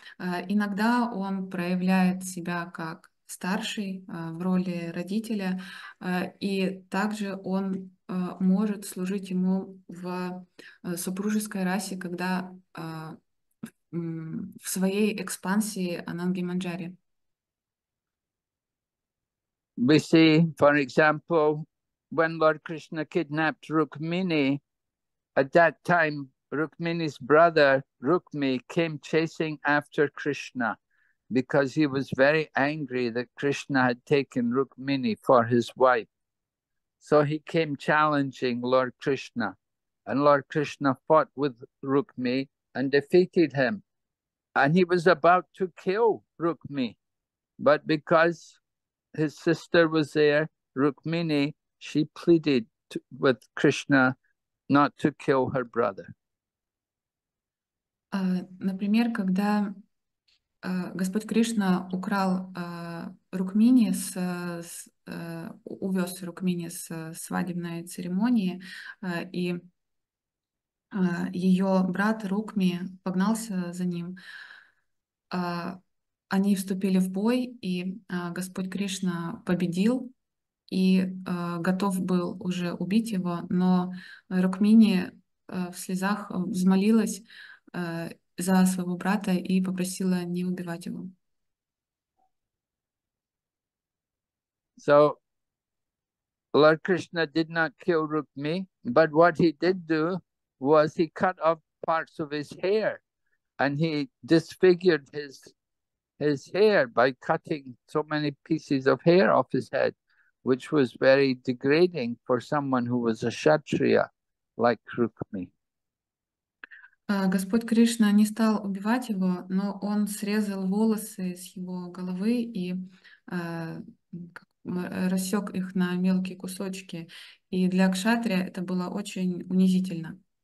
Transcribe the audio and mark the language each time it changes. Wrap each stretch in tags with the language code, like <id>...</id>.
<ru>Иногда он проявляет себя как старший в роли родителя, и также он может служить ему в супружеской расе, когда в своей экспансии Ананги Манджари.</ru> <en>We see, for example, when Lord Krishna kidnapped Rukmini, at that time, Rukmini's brother, Rukmi, came chasing after Krishna because he was very angry that Krishna had taken Rukmini for his wife. So he came challenging Lord Krishna, and Lord Krishna fought with Rukmi and defeated him. And he was about to kill Rukmi, but because his sister was there, Rukmini, she pleaded with Krishna not to kill her brother.</en> <ru>Например, когда Господь Кришна украл Рукмини, увез Рукмини с свадебной церемонии, и ее брат Рукми погнался за ним, они вступили в бой, и Господь Кришна победил и готов был уже убить его, но Рукмини в слезах взмолилась за своего брата и попросила не убивать его.</ru> <en>So, Lord Krishna did not kill Rukmi, but what he did do was he cut off parts of his hair, and he disfigured his hair by cutting so many pieces of hair off his head, which was very degrading for someone who was a kshatriya like Rukmi.</en> <ru>Господь Кришна не стал убивать его, но он срезал волосы с его головы и рассек их на мелкие кусочки. И для кшатрия это было очень унизительно.</ru>